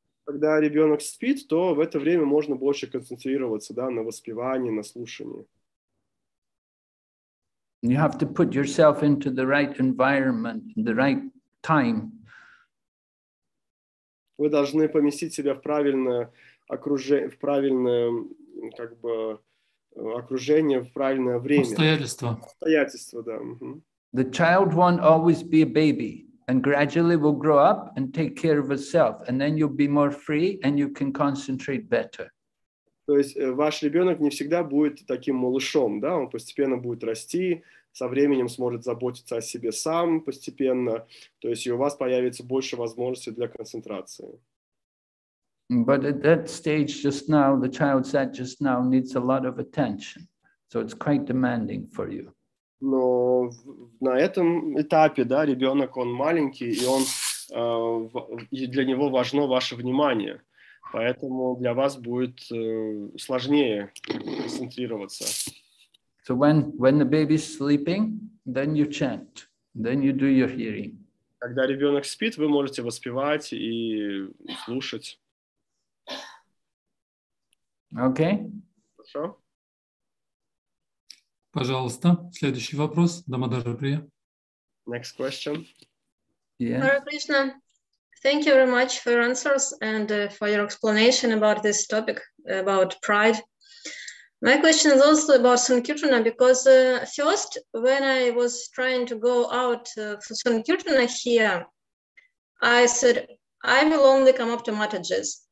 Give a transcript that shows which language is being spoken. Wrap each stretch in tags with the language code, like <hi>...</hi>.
<ru>Когда ребенок спит, то в это время можно больше концентрироваться, да, на воспевании, на слушании.</ru> <en>You have to put yourself into the right environment, the right time.</en> <ru>Вы должны поместить себя в правильное окружение, в правильное, как бы, окружение, в правильное время. Обстоятельства. Обстоятельства, да.</ru> <en>The child won't always be a baby, and gradually will grow up and take care of itself, and then you'll be more free, and you can concentrate better.</en> <ru>То есть ваш ребенок не всегда будет таким малышом, да? Он постепенно будет расти, со временем сможет заботиться о себе сам постепенно, то есть и у вас появится больше возможностей для концентрации.</ru> <en>But at that stage just now, the child said just now needs a lot of attention, so it's quite demanding for you.</en> <ru>Но на этом этапе, да, ребенок, он маленький, и он и для него важно ваше внимание, поэтому для вас будет сложнее концентрироваться.</ru> <en>So when the baby is sleeping, then you chant, then you do your hearing.</en> <ru>Когда ребенок спит, вы можете воспевать и слушать.</ru> <en>Okay.</en> <ru>Хорошо. Пожалуйста, следующий вопрос. Дамадараприя.</ru> <en>Next question. Yes. Hare Krishna. Thank you very much for your answers and for your explanation about this topic, about pride. My question is also about Sankirtana, because first, when I was trying to go out for Sankirtana here, I said, I will only come up to Mataji's.</en>